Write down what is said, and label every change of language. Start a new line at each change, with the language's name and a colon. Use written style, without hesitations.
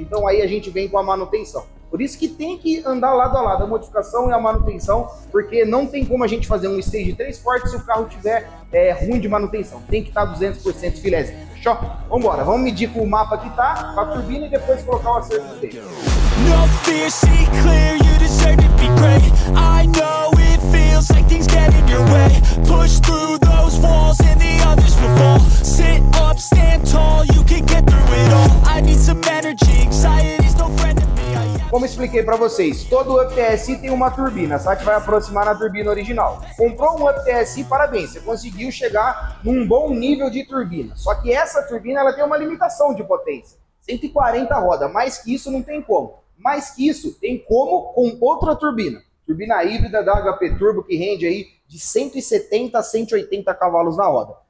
Portuguese: Então aí a gente vem com a manutenção. Por isso que tem que andar lado a lado, a modificação e a manutenção, porque não tem como a gente fazer um Stage 3 forte se o carro tiver ruim de manutenção. Tem que estar 200% filézinho, fechou? Vambora, vamos medir com o mapa que tá, com a turbina e depois colocar o acerto dele.
English: No fear, see clear, you deserve to be great. I know it feels like things get in your way. Push through those walls and the others will fall. Sit up, stand tall, you can get through it all. I need some energy, anxiety's no friend of me.
Portuguese: Como expliquei para vocês, todo Up TSI tem uma turbina, só que vai aproximar na turbina original. Comprou um Up TSI, parabéns, você conseguiu chegar num bom nível de turbina. Só que essa turbina ela tem uma limitação de potência, 140 rodas, mais que isso não tem como. Mais que isso, tem como com outra turbina. Turbina híbrida da HP Turbo, que rende aí de 170 a 180 cavalos na roda.